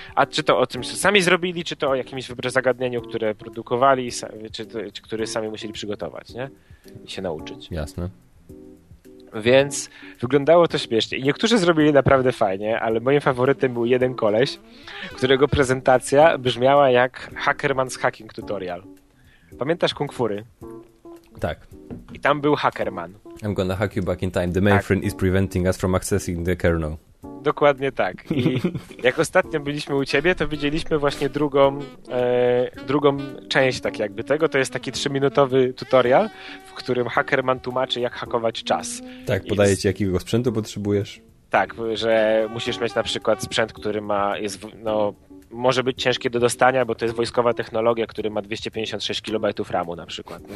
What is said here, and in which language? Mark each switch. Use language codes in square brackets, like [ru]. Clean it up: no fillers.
[pl] A czy to o tym, co sami zrobili, czy to o jakimś zagadnieniu, które produkowali, czy które sami musieli przygotować, nie? I się nauczyć. Jasne. Więc wyglądało to śmiesznie. I niektórzy zrobili naprawdę fajnie, ale moim faworytem był jeden koleś, którego prezentacja brzmiała jak Hackerman's Hacking Tutorial. Pamiętasz Kung Fury? Tak. I tam był Hackerman. [en] I'm gonna hack you back in time. The mainframe is preventing us from accessing the kernel. [pl] Dokładnie tak. I jak ostatnio byliśmy u ciebie, to widzieliśmy właśnie drugą część tak jakby tego. To jest taki 3-minutowy tutorial, w którym Hackerman tłumaczy, jak hakować czas. Tak, podaje ci, jakiego sprzętu potrzebujesz. Tak, że musisz mieć na przykład sprzęt, który może być ciężkie do dostania, bo to jest wojskowa technologia, który ma 256 kB RAM-u na przykład.